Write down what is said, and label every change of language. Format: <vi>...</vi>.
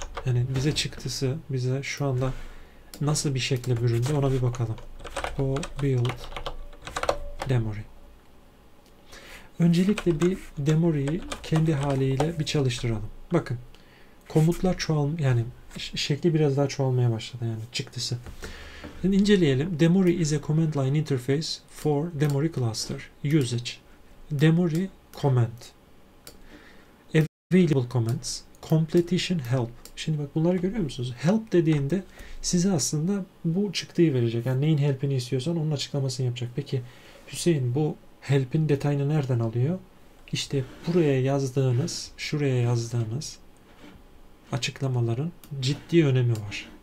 <tr>Yani bize çıktısı, bize şu anda nasıl bir şekle büründü ona bir bakalım. Go build demory. Öncelikle bir demory'yi kendi haliyle bir çalıştıralım. Bakın. Komutlar yani şekli biraz daha çoğalmaya başladı yani çıktısı. Şimdi inceleyelim.</tr> <en>Demory is a command line interface for Demory cluster usage. Demory command. Available comments, completion help.</en> <tr>Şimdi bak bunları görüyor musunuz? Help dediğinde size aslında bu çıktıyı verecek. Yani neyin help'ini istiyorsan onun açıklamasını yapacak. Peki Hüseyin bu help'in detayını nereden alıyor? İşte buraya yazdığınız, şuraya yazdığınız açıklamaların ciddi önemi var.</tr>